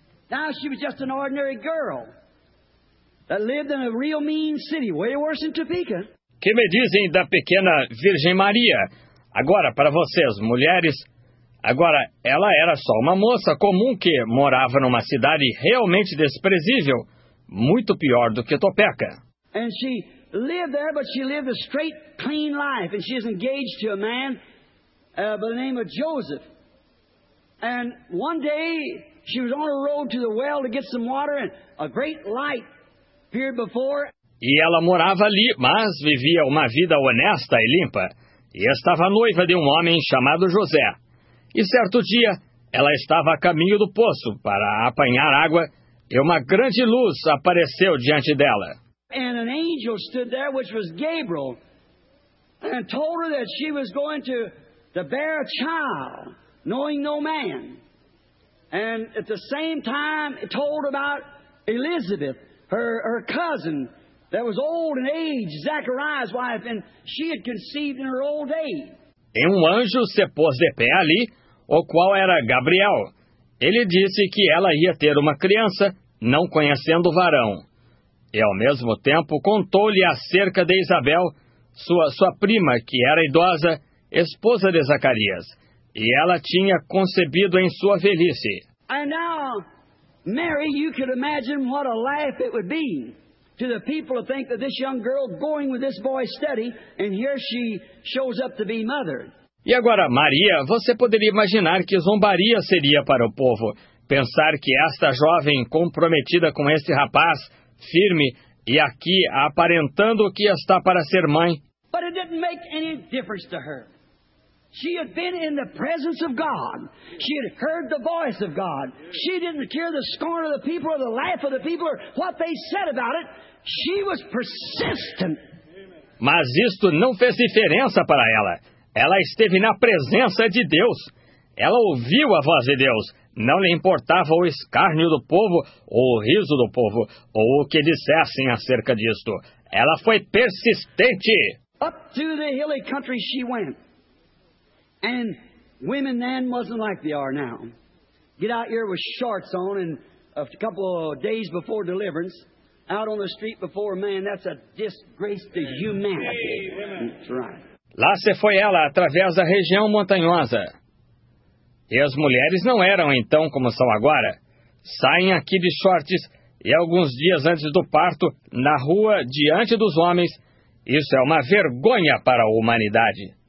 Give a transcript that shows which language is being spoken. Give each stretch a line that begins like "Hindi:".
English: Now she was just an ordinary girl that lived in a real mean city, way worse than Topeka.
Portuguese: Que me dizem da pequena Virgem Maria? Agora, para vocês, mulheres, agora, ela era só uma moça comum que morava numa cidade realmente desprezível, muito pior do que Topeka.
English: And she lived there, but she lived a straight, clean life, and she is engaged to a man by the name of Joseph. And one day, she was on a road to the well to get some water, and a great light appeared before.
Portuguese: E ela morava ali, mas vivia uma vida honesta e limpa. E estava noiva de um homem chamado José. E certo dia, ela estava a caminho do poço para apanhar água, e uma grande luz apareceu diante dela.
English: And an angel stood there, which was Gabriel, and told her that she was going to bear a child, knowing no man. And at the same time, it told about Elizabeth, her cousin, that was old in age, Zachariah's wife, and she had conceived in her old age.
Portuguese: E um anjo se pôs de pé ali, o qual era Gabriel. Ele disse que ela ia ter uma criança, não conhecendo o varão. E ao mesmo tempo contou-lhe acerca de Isabel, sua prima, que era idosa, esposa de Zacarias. E ela tinha concebido em sua velhice.
English: And now, Mary, you could imagine what a laugh it would be to the people to think that this young girl going with this boy steady, and here she shows up to be mother.
Portuguese: E agora, Maria, você poderia imaginar que zombaria seria para o povo pensar que esta jovem comprometida com este rapaz, firme, e aqui aparentando que está para ser mãe.
English: But it didn't make any difference to her. She had been in the presence of God. She had heard the voice of God. She didn't care the scorn of the people or the laugh of the people or what they said about it. She was persistent.
Portuguese: Mas isto não fez diferença para ela. Ela esteve na presença de Deus. Ela ouviu a voz de Deus. Não lhe importava o escárnio do povo, ou o riso do povo, ou o que dissessem acerca disto. Ela foi persistente.
English: Up to the hilly country she went. And women then wasn't like they are now. Get out here with shorts on and a couple of days before deliverance, out on the street before a man, that's a disgrace to humanity. Hey, that's right.
Portuguese: Lá se foi ela através da região montanhosa. E as mulheres não eram então como são agora. Saem aqui de shorts e alguns dias antes do parto, na rua, diante dos homens. Isso é uma vergonha para a humanidade.